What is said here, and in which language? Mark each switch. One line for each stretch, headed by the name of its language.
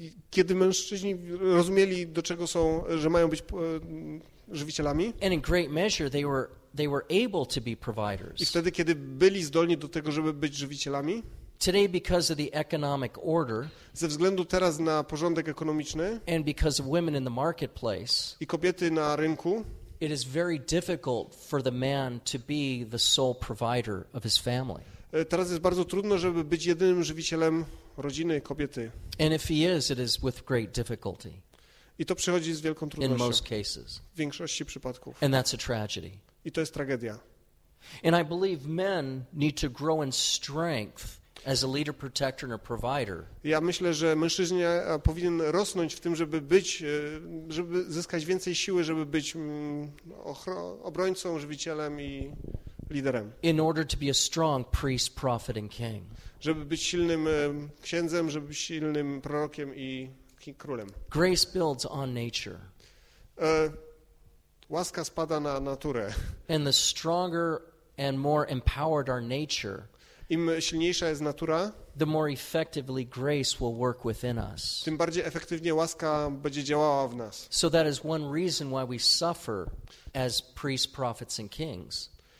Polish: Kiedy mężczyźni rozumieli do czego są, że mają być żywicielami?
English: And in great measure they were able to be providers.
Polish: I wtedy kiedy byli zdolni do tego, żeby być żywicielami?
English: Today because of the economic order,
Polish: ze względu teraz na porządek ekonomiczny,
English: and because of women in the marketplace,
Polish: i kobiety na rynku,
English: it is very difficult for the man to be the sole provider of his family.
Polish: Teraz jest bardzo trudno, żeby być jedynym żywicielem rodziny kobiety.
English: And if he is, it is with great difficulty.
Polish: I to przychodzi z wielką trudnością.
English: In most cases.
Polish: W większości przypadków.
English: And that's a tragedy.
Polish: I to jest tragedia.
English: And I believe men need to grow in strength as a leader, protector, and a provider.
Polish: Ja myślę, że mężczyzna powinien rosnąć w tym, żeby być, żeby zyskać więcej siły, żeby być obrońcą, żywicielem i liderem.
English: In order to be a strong priest, prophet, and king.
Polish: Żeby być silnym księdzem, żeby być silnym prorokiem i królem.
English: Grace builds on nature.
Polish: Łaska spada na naturę.
English: And the stronger and more empowered our nature.
Polish: Im silniejsza jest natura,
English: the more effectively grace will work within us.
Polish: Tym bardziej efektywnie łaska będzie działała w nas.
English: So that is one reason why we suffer as priests, prophets, and kings.